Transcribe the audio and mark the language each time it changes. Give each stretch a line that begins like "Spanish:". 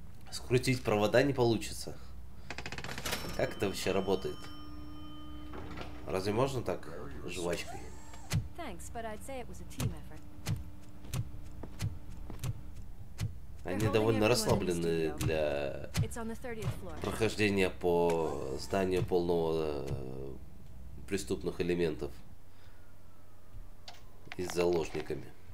Russian: Скрутить провода не получится. Как это вообще работает? Разве можно так жвачкой?
English: Thanks, but I'd say it was a team effort.
Russian: Они довольно расслаблены для прохождения по зданию полного преступных элементов и с заложниками.